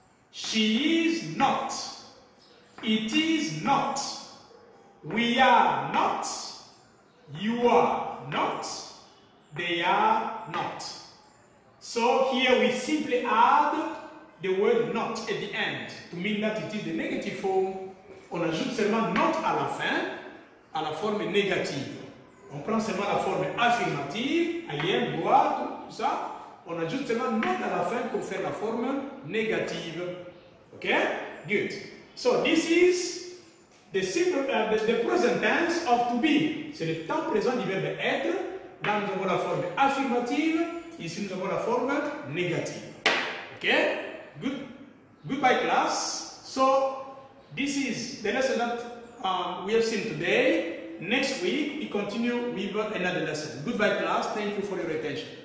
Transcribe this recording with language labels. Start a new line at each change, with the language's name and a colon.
English: She is not. It is not. We are not. You are not. They are not. So here we simply add the word not at the end to mean that it is the negative form.
French: On ajoute seulement not à la fin, à la forme négative. On prend seulement la forme affirmative,
English: I am, you are,
French: tout ça. On ajoute seulement not à la fin pour faire la forme négative. Okay? Good.
English: So this is the simple, the present tense of to be.
French: C'est le temps présent du verbe être. Là, nous avons la forme affirmative. Ici, nous avons la forme négative.
English: Ok? Good. Goodbye, class. So, this is the lesson that we have seen today. Next week, we continue with another lesson. Goodbye, class. Thank you for your attention.